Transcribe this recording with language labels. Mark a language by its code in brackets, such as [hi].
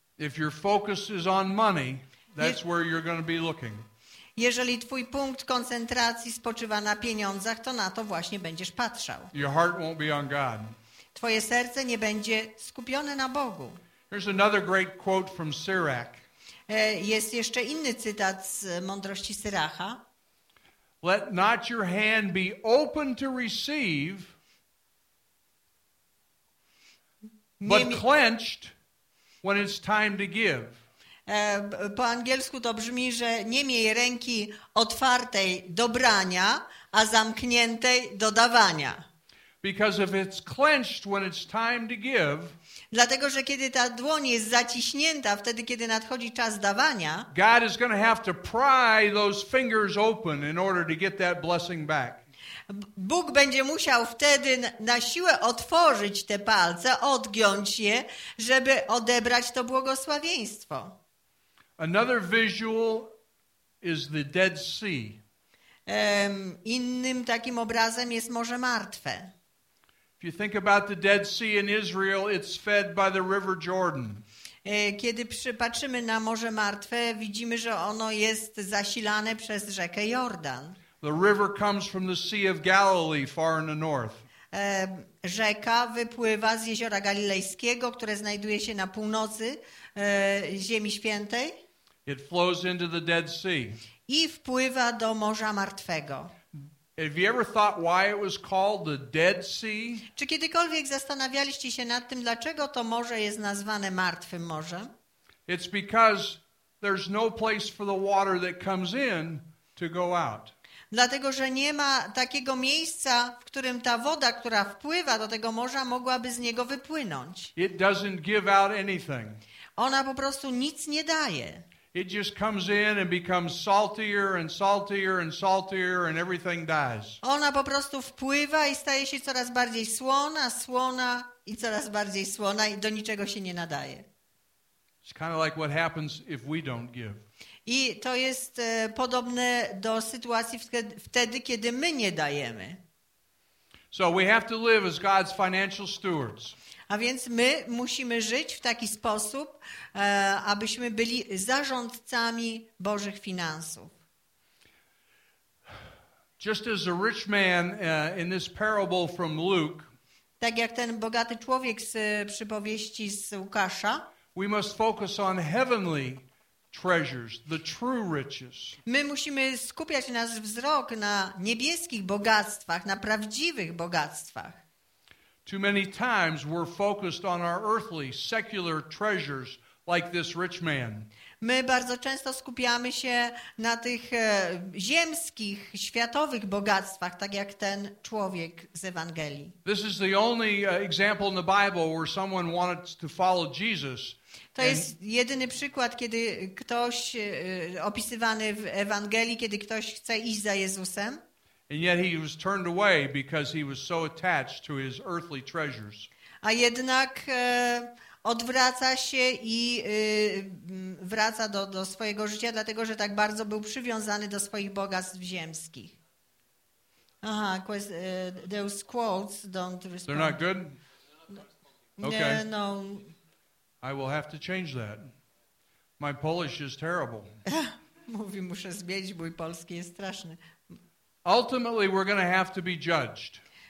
[en] If your focus is on money, that's where you're going to be looking. [pl] Jeżeli twój punkt koncentracji spoczywa na pieniądzach, to na to właśnie będziesz patrzał. [en] Your heart won't be on God. [pl] Twoje serce nie będzie skupione na Bogu. [en] Here's another great quote from Sirach. [pl] Jest jeszcze inny cytat z mądrości Syracha. [en] Let not your hand be open to receive, but clenched when it's time to give. [pl] Po angielsku to brzmi, że nie miej ręki otwartej do brania, a zamkniętej do dawania. [en] Because if it's clenched when it's time to give, [pl] dlatego, że kiedy ta dłoń jest zaciśnięta, wtedy, kiedy nadchodzi czas dawania, [en] God is going to have to pry those fingers open in order to get that blessing back. [pl] Bóg będzie musiał wtedy na siłę otworzyć te palce, odgiąć je, żeby odebrać to błogosławieństwo. [en] Another visual is the Dead Sea. [pl] Innym takim obrazem jest Morze Martwe. [en] If you think about the Dead Sea in Israel, it's fed by the River Jordan. [pl] Kiedy przypatrzymy na Morze Martwe, widzimy, że ono jest zasilane przez rzekę Jordan. [en] The river comes from the Sea of Galilee, far in the north. [pl] Rzeka wypływa z Jeziora Galilejskiego, które znajduje się na północy Ziemi Świętej. [en] It flows into the Dead Sea. [pl] I wpływa do Morza Martwego. [en] Have you ever thought why it was called the Dead Sea? [pl] Czy kiedykolwiek zastanawialiście się nad tym, dlaczego to morze jest nazwane Martwym Morzem? [en] It's because there's no place for the water that comes in to go out. [pl] Dlatego, że nie ma takiego miejsca, w którym ta woda, która wpływa do tego morza, mogłaby z niego wypłynąć. [en] It doesn't give out anything. [pl] Ona po prostu nic nie daje. [en] It just comes in and becomes saltier and saltier and saltier and everything dies. [pl] Ona po prostu wpływa i staje się coraz bardziej słona, słona i coraz bardziej słona i do niczego się nie nadaje. [en] It's kind of like what happens if we don't give. [pl] I to jest podobne do sytuacji wtedy, kiedy my nie dajemy. [en] So we have to live as God's financial stewards. [pl] A więc my musimy żyć w taki sposób, abyśmy byli zarządcami Bożych finansów. [en] Just as a rich man in this parable from Luke, [pl] tak jak ten bogaty człowiek z przypowieści z Łukasza, [en] we must focus on heavenly treasures, the true riches. [pl] My musimy skupiać nasz wzrok na niebieskich bogactwach, na prawdziwych bogactwach. [en] Too many times we're focused on our earthly, secular treasures like this rich man. [pl] My bardzo często skupiamy się na tych ziemskich, światowych bogactwach, tak jak ten człowiek z Ewangelii. [en] This is the only example in the Bible where someone wanted to follow Jesus. [pl] To jest jedyny przykład, kiedy ktoś opisywany w Ewangelii, kiedy ktoś chce iść za Jezusem. [en] And yet he was turned away because he was so attached to his earthly treasures. [pl] A jednak odwraca się i wraca do swojego życia, dlatego że tak bardzo był przywiązany do swoich bogactw ziemskich. [en] Aha, those quotes don't respond. They're not good? Okay. No. I will have to change that. My Polish is terrible. [pl] Mówi, muszę zmienić, mój polski jest straszny. [en] Ultimately, we're going to have to be judged.